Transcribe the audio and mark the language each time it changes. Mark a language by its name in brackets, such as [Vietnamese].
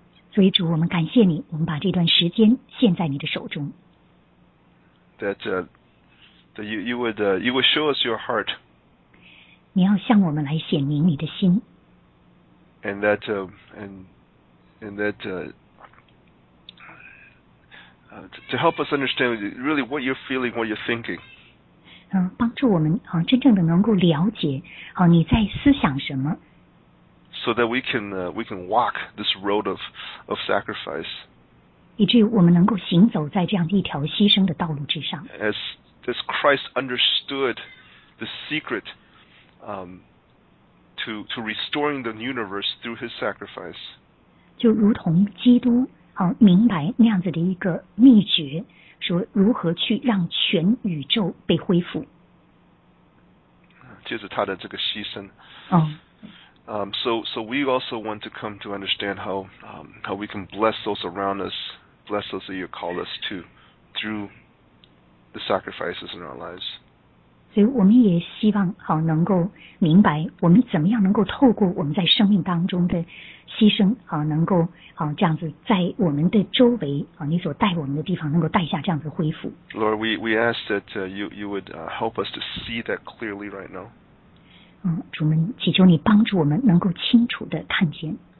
[Chinese] 所以主，我们感谢你，我们把这段时间献在你的手中。 [English] That you would show us your heart. [Chinese] 你要向我们来显明你的心。 [English] And that to help us understand really what you're feeling, what you're thinking. [Chinese] 帮助我们真正的能够了解你在思想什么。 [English] So that we can walk this road of sacrifice. [Chinese] 以至于我们能够行走在这样一条牺牲的道路之上。 [English] As Christ understood the secret, to restoring the universe through his sacrifice. [Chinese] 就如同基督明白那样子的一个秘诀。说如何去让全宇宙被恢复？就是他的这个牺牲。 [English] So we also want to come to understand how we can bless those around us, bless those that you call us to, through the sacrifices in our lives. [Chinese] 所以我们也希望能够明白我们怎么样能够透过我们在生命当中的牺牲能够这样子在我们的周围你所带我们的地方能够带下这样子恢复。 [English] Lord, we ask that you would help us to see that clearly right now. [Chinese] 主们祈求你帮助我们能够清楚的看见。